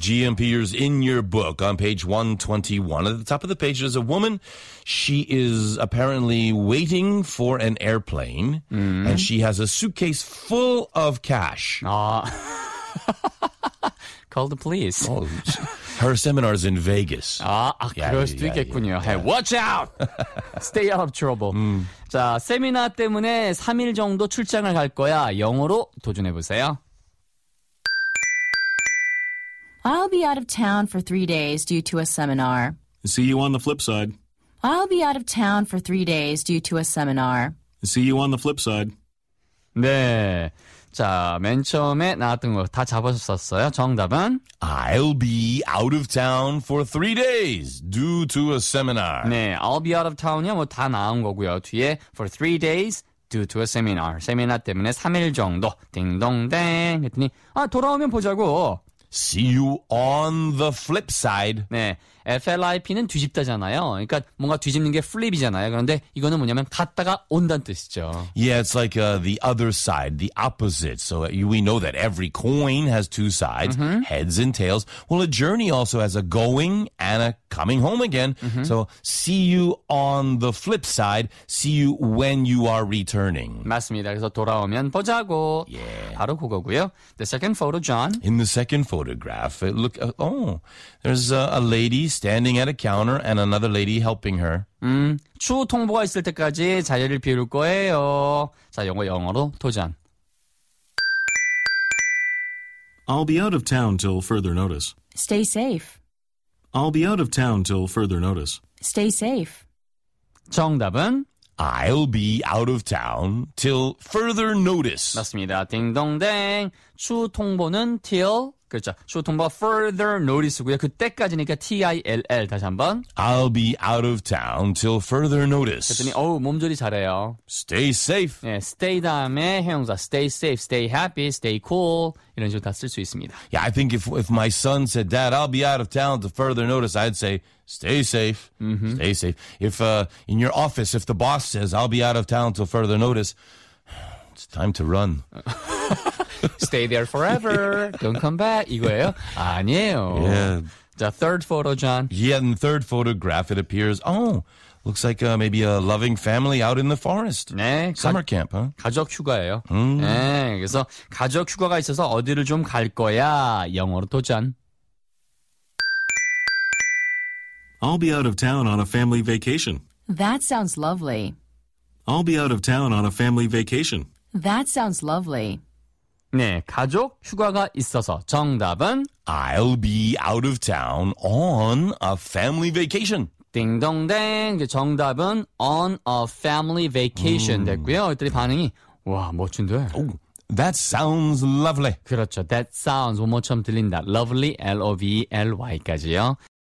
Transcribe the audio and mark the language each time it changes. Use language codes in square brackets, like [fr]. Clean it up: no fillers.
[en] GMPers in your book on page 121. At the top of the page, there's a woman. She is apparently waiting for an airplane. Mm. And she has a suitcase full of cash. Call the police. Oh, her seminar's in Vegas. Yeah, [ko] 그럴 수도 있겠군요. [en] Yeah. Hey, watch out! Stay out of trouble. [ko] 자, 세미나 때문에 3일 정도 출장을 갈 거야. 영어로 도전해보세요. [en] I'll be out of town for 3 days due to a seminar. See you on the flip side. I'll be out of town for 3 days due to a seminar. See you on the flip side. [ko] 네. 자, 맨 처음에 나왔던 거 다 잡으셨었어요. 정답은? [en] I'll be out of town for three days due to a seminar. [ko] 네, [en] I'll be out of town [ko] 이요. 뭐 다 나온 거고요. 뒤에 [en] for three days due to a seminar. [ko] 세미나 때문에 3일 정도. 딩동댕 했더니 아, 돌아오면 보자고. See you on the flip side. 네, FLIP는 뒤집다잖아요. 그러니까 뭔가 뒤집는 게 [en] flip [ko] 이잖아요. 그런데 이거는 뭐냐면 갔다가 온다는 뜻이죠. [en] Yeah, it's like the other side, the opposite. So we know that every coin has two sides, mm-hmm. heads and tails. Well, a journey also has a going and a coming home again. Mm-hmm. So see you on the flip side. See you when you are returning. [ko] 맞습니다. 그래서 돌아오면 보자고. [en] Yeah. [ko] 바로 그거고요. [en] The second photo, John. In the second photograph, look, there's a lady. Standing at a counter and another lady helping her. [ko] 추후 통보가 있을 때까지 자리를 비울 거예요. 자, 영어로 도전. [en] I'll be out of town till further notice. Stay safe. I'll be out of town till further notice. Stay safe. [ko] 정답은? [en] I'll be out of town till further notice. [ko] 맞습니다. 딩동댕. 추후 통보는 till... 그렇죠. 추후 통보 [en] further notice [ko] 고요. 그때까지니까 T-I-L-L 다시 한번. [en] I'll be out of town till further notice. [ko] 그랬더니 어우 몸조리 잘해요. [en] Stay safe. [ko] 네, stay 다음에 형용사 [en] stay safe, stay happy, stay cool [ko] 이런 식으로 다 쓸 수 있습니다. [en] Yeah, I think if my son said, Dad, I'll be out of town till further notice, I'd say, stay safe, mm-hmm. stay safe. If in your office, if the boss says, I'll be out of town till further notice, it's time to run. Stay there forever. Don't come back. [ko] 이거예요? 아니에요. [en] Yeah. The third photo, John. Yeah, in the third photograph, it appears, oh, looks like maybe a loving family out in the forest. [ko] 네. [en] Summer camp, huh? [ko] 가족 휴가예요. Mm. 네, 그래서 가족 휴가가 있어서 어디를 좀 갈 거야? 영어로 도전. [en] I'll be out of town on a family vacation. That sounds lovely. I'll be out of town on a family vacation. That sounds lovely. [ko] 네, 가족 휴가가 있어서 정답은 [en] I'll be out of town on a family vacation. [ko] 딩동댕, 정답은 [en] on a family vacation [ko] 됐고요. 이들이 반응이 와, 멋진데. [en] Oh, that sounds lovely. [ko] 그렇죠, [en] that sounds [ko] 뭐처럼 들린다. Lovely, L-O-V-E-L-Y까지요.